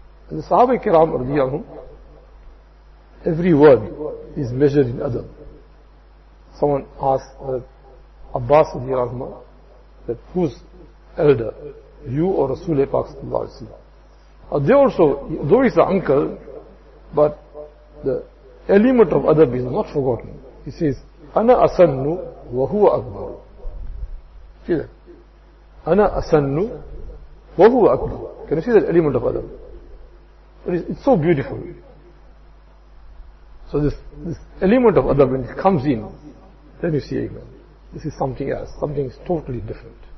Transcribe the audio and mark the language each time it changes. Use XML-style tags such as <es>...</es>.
<en>And the Sahaba Kiram, every word is measured in adab. Someone asked Abbas, that who's elder, you or Rasulullah Sallallahu Alaihi Wasallam? They also, though he's an uncle, but the element of adab is not forgotten. He says,</en> <ar>أنا أسن وهو أكبر.</ar> <en>See that?</en> <ar>أنا أسن وهو أكبر.</ar> <en>Can you see that element of adab? It's so beautiful. So this element of adab, when it comes in, then you see, amen. This is something else. Something is totally different.</en>